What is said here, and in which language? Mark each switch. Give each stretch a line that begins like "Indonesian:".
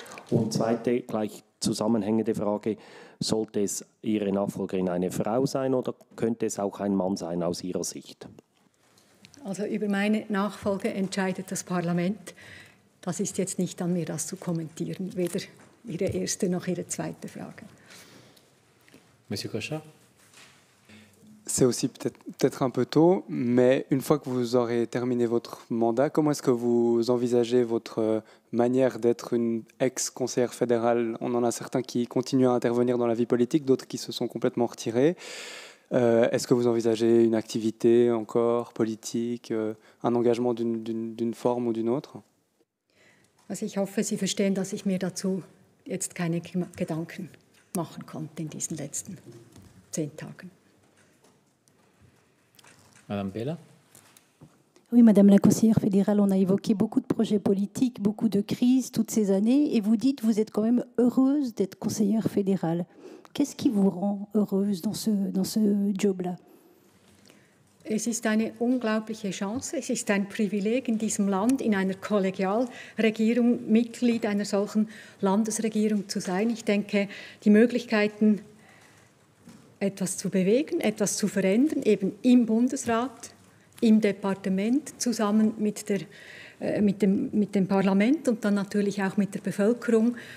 German: Und zweite, gleich zusammenhängende Frage, sollte es Ihre Nachfolgerin eine Frau sein oder könnte es auch ein Mann sein aus Ihrer Sicht? Also über meine Nachfolge entscheidet das Parlament. Das ist jetzt nicht an mir, das zu kommentieren, weder Ihre erste noch Ihre zweite Frage.
French: Monsieur Cochard? C'est aussi peut-être un peu tôt, mais une fois que vous aurez terminé votre mandat, comment est-ce que vous envisagez votre manière d'être une ex-conseillère fédérale? On en a certains qui continuent à intervenir dans la vie politique, d'autres qui se sont complètement retirés. Est-ce que vous envisagez une activité encore politique, un engagement d'une forme ou d'une autre?
German: Also ich hoffe, Sie verstehen, dass ich mir dazu jetzt keine Gedanken machen konnte in diesen letzten 10 Tagen.
French: Madame Bella. Oui, Madame la conseillère fédérale, on a évoqué beaucoup de projets politiques, beaucoup de crises toutes ces années, et vous dites que vous êtes quand même heureuse d'être conseillère fédérale. Qu'est-ce qui vous rend heureuse dans ce job-là?
German: Es ist eine unglaubliche Chance. Es ist ein Privileg, in diesem Land in einer Kollegialregierung Mitglied einer solchen Landesregierung zu sein. Ich denke, die Möglichkeiten, etwas zu bewegen, etwas zu verändern, eben im Bundesrat, im Departement, zusammen mit dem Parlament und dann natürlich auch mit der Bevölkerung.